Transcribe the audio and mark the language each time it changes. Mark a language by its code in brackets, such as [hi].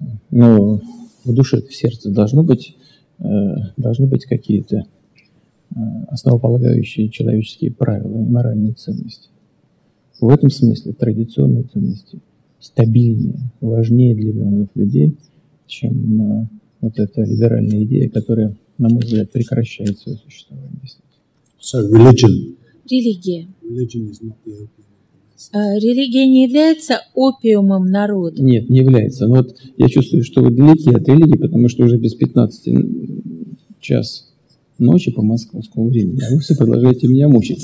[ru] Но в душе, в сердце должны быть какие-то основополагающие человеческие правила и моральные ценности. В этом смысле традиционные ценности стабильнее, важнее для миллионов людей, чем вот эта либеральная идея, которая, на мой взгляд, прекращает свое существование. [en] So religion. [ru] Религия. [en] Religion is not the opium. [ru] Религия не является опиумом народа. Нет, не является. Но вот я чувствую, что вы далеки от религии, потому что уже без 15 час ночи по московскому времени, а вы все продолжаете меня мучить.